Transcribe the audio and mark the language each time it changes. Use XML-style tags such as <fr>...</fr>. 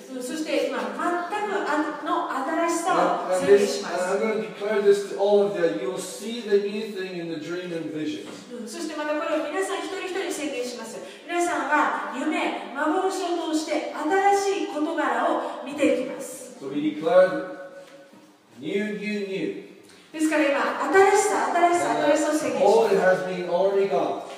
<ja>そして今全くの新しさを宣言します。</ja> <en>And I'm going to declare this to all of you. You'll see the new thing in the dream and visions.</en> <ja>そしてまたこれを皆さん一人一人宣言します。皆さんは夢、幻を通して新しい事柄を見ていきます。</ja> <en>So we declare new, new, new.</en> <ja>ですから今新しさを宣言します。</ja> <en>All it has been already gone.</en>